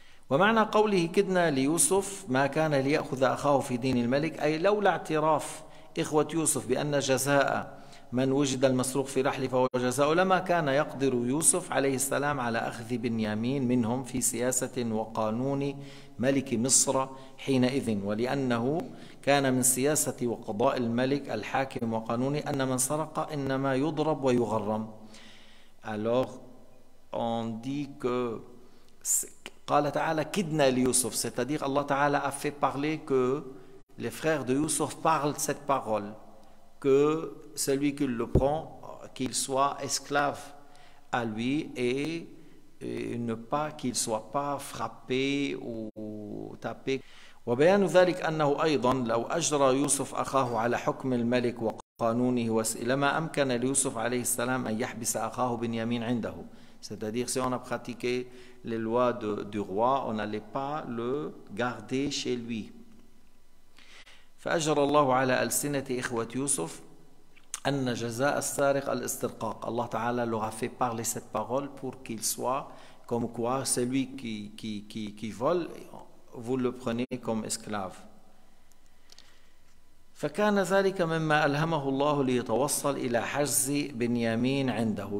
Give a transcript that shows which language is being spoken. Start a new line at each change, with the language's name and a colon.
Arabic: ومعنى قوله كدنا ليوسف ما كان ليأخذ أخاه في دين الملك, أي لولا اعتراف إخوة يوسف بأن جزاء من وجد المسروق في رحله فهو جزاء, لما كان يقدر يوسف عليه السلام على أخذ بنيامين منهم في سياسة وقانون ملك مصر حينئذ, ولأنه كان من سياسة وقضاء الملك الحاكم وقانونه أن من سرق إنما يضرب ويغرم.
French: Alors on dit que
Arabic: قال تعالى كدنا ليوسف,
French: c'est-à-dire Allah Ta'ala a fait parler que les frères de Youssef parlent cette parole, que celui qui le prend, qu'il soit esclave à lui et ne pas qu'il soit pas frappé ou tapé.
Arabic: وبيان ذلك أنه أيضا لو أجرى يوسف أخاه على حكم الملك وقانونه لما أمكن ليوسف عليه السلام أن يحبس أخاه بنيامين عنده.
French: C'est-à-dire, si on a pratiqué les lois du roi, on n'allait pas le garder chez lui.
Arabic: فأجر الله على ألسنة إخوة يوسف أن جزاء السارق الاسترقاق.
French: الله تعالى leur a fait parler cette parole pour qu'il soit comme quoi celui qui vole vous le prenez comme esclave.
Arabic: فكان ذلك مما ألهمه الله ليتوصل إلى حجز بنيامين عنده.